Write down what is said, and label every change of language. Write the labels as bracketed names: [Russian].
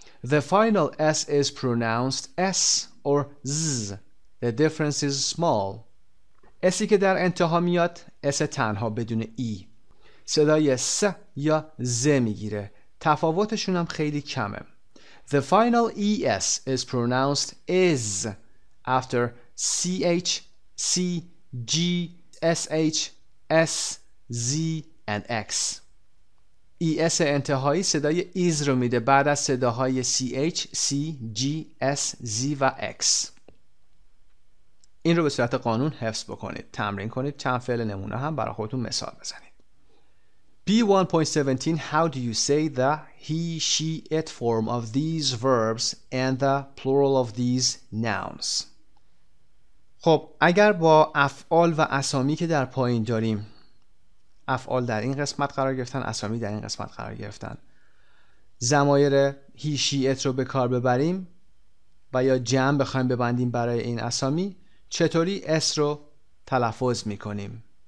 [English] The final s is pronounced s or z، the difference is small. [Persian] s-ی که در انتها میاد s تنها بدون e، صدای س یا ز میگیره، تفاوتشون هم خیلی کمه. [English] The final ES is pronounced is after CH, C, G, SH, S, Z and X. [Persian] ES انتهایی صدای is رو میده بعد از صداهای CH, C, G, S, Z و X. این رو به صورت قانون حفظ بکنید، تمرین کنید، چند فعل نمونه هم برای خودتون مثال بزنید. [English] B1.17 How do you say the he, she, it form of these verbs and the plural of these nouns? [Persian] خب اگر با افعال و اسامی که در پایین داریم افعال در این قسمت قرار گرفتن، اسامی در این قسمت قرار گرفتن. ضمایر هی شی ات رو به کار ببریم و یا جمع بخوایم ببندیم برای این اسامی، چطوری اس رو تلفظ میکنیم؟